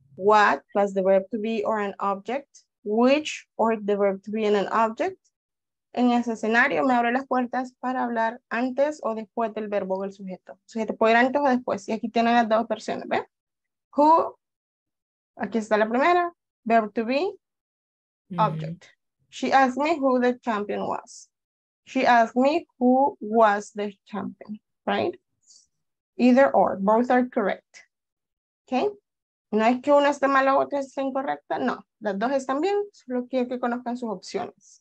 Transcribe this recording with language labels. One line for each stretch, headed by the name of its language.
English: What plus the verb to be or an object, which or the verb to be and an object.
Spanish: En ese escenario me abre las puertas para hablar antes o después del verbo o el sujeto. Sujeto puede ir antes o después. Y aquí tienen las dos versiones, ¿ve? Who, aquí está la primera, verb to be, object.
English: She asked me who the champion was. She asked me who was the champion, right? Either or, both are correct. Okay?
Spanish: No es que una esté mala o otra esté incorrecta, no. Las dos están bien, solo quiero que conozcan sus opciones.